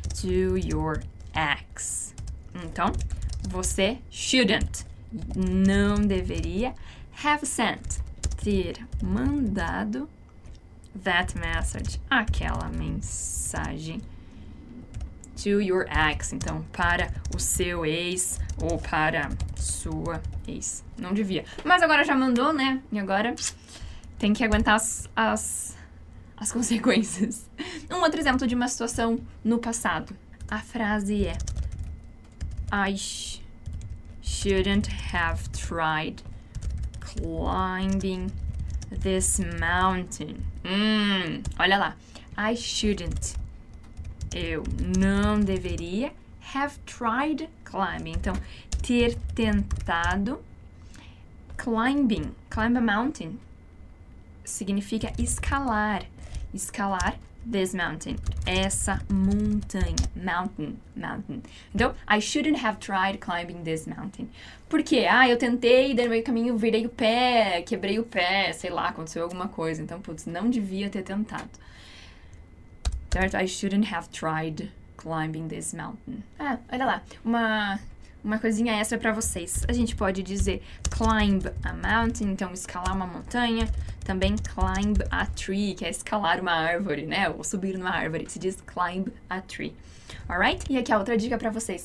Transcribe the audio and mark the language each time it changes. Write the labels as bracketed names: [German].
[Portuguese] To your ex. Então, você shouldn't, não deveria, have sent, ter mandado that message, aquela mensagem, to your ex, então, para o seu ex ou para sua ex. Não devia. Mas agora já mandou, né? E agora tem que aguentar as consequências. Um outro exemplo de uma situação no passado. A frase é [English] I shouldn't have tried climbing this mountain. [Portuguese] Olha lá. I shouldn't. Eu não deveria have tried climbing. Então, ter tentado climbing. Climb a mountain significa escalar, escalar this mountain, essa montanha, mountain, mountain. [English] Então, I shouldn't have tried climbing this mountain. [Portuguese] Por quê? Ah, eu tentei, dei no meio caminho, virei o pé, quebrei o pé, sei lá, aconteceu alguma coisa. Então, putz, não devia ter tentado. [English] That I shouldn't have tried climbing this mountain. [Portuguese] Ah, olha lá, uma coisinha extra pra vocês. A gente pode dizer climb a mountain, então escalar uma montanha. Também climb a tree, que é escalar uma árvore, né? Ou subir numa árvore. Se diz climb a tree. Alright? E aqui a outra dica pra vocês.